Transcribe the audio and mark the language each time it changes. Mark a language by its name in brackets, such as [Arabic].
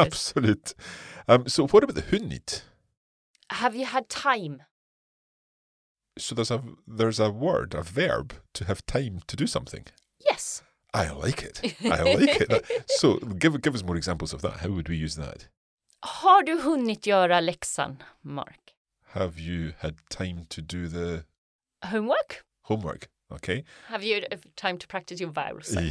[English] Absolute. So what about the hunnit? Have you had time? So there's a word, a verb, to have time to do something. Yes. I like it. I like it. So give us more examples of that. How would we use that? [Swedish] Har du hunnit göra läxan, Mark? [English] Have you had time to do the... Homework? Homework, okay. Have you had time to practice your vowel sounds?